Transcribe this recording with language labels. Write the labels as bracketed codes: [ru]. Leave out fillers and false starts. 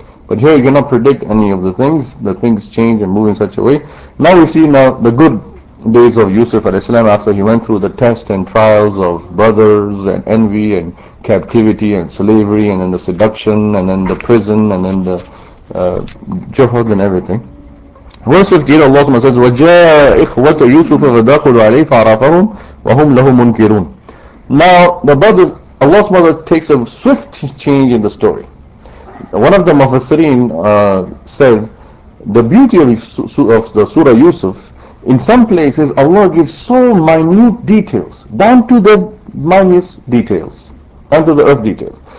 [en] But here you cannot predict any of the things. The things change and move in such a way. Now we see now the good days of Yusuf alayhi salam, after he went through the test and trials of brothers and envy and captivity and slavery and then the seduction and then the prison and then the jihad and everything. Verse 58, Allah SWT says, [ar] وَجَاءَ إِخْوَةَ يُوسُفَ فَدَخُلُوا عَلَيْهِ فَعَرَفَهُمْ وَهُمْ لَهُمْ مُنْكِرُونَ. [en] Now the brothers, Allah SWT takes a swift change in the story. One of the Mufassirin said, the beauty of the Surah Yusuf, in some places Allah gives so minute details, down to the minus details, down to the earth details.